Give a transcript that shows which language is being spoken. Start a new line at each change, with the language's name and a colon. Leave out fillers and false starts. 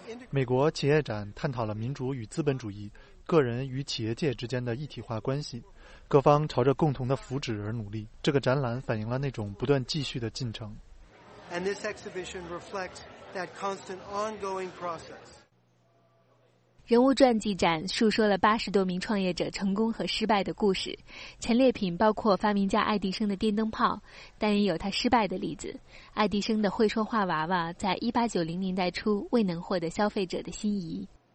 Chinese: 美国企业展探讨了民主与资本主义、个人与企业界之间的一体化关系，各方朝着共同的福祉而努力。这个展览反映了那种不断继续的进程。
English: And this exhibition reflects that constant ongoing process.
Chinese: 人物传记展述说了80多名创业者成功和失败的故事，陈列品包括发明家爱迪生的电灯泡，但也有他失败的例子，爱迪生的会说话娃娃在1890年代初未能获得消费者的心仪。